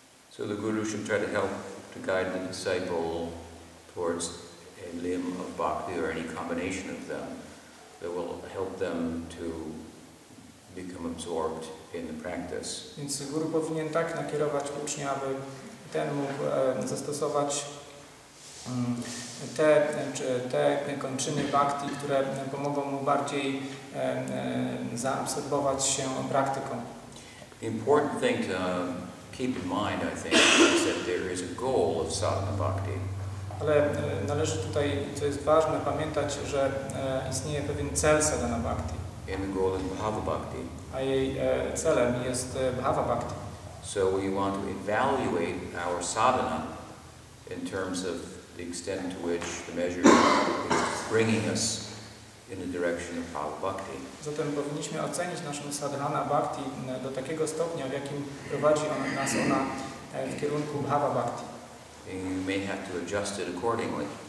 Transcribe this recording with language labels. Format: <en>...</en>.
<en>So the guru should try to help to guide the disciple towards a limb of bhakti or any combination of them that will help them to become absorbed in the practice.</en> <pl>Więc guru powinien tak nakierować ucznia, aby ten mógł zastosować te kończyny bhakti, które pomogą mu bardziej zaabsorbować się praktyką.</pl> <en>The important thing to keep in mind, I think, is that there is a goal of sadhana bhakti.</en> <pl>Ale należy tutaj, co jest ważne, pamiętać, że istnieje pewien cel sadhana bhakti.</pl> <en>And the goal is bhava bhakti.</en> <pl>A jej celem jest bhava bhakti.</pl> <en>So we want to evaluate our sadhana in terms of the extent to which the measure is bringing us in the direction of bhava bhakti.</en> <pl>Zatem powinniśmy ocenić naszą sadhana bhakti do takiego stopnia, w jakim prowadzi nas ona w kierunku bhava bhakti.</pl> <en>And you may have to adjust it accordingly.</en>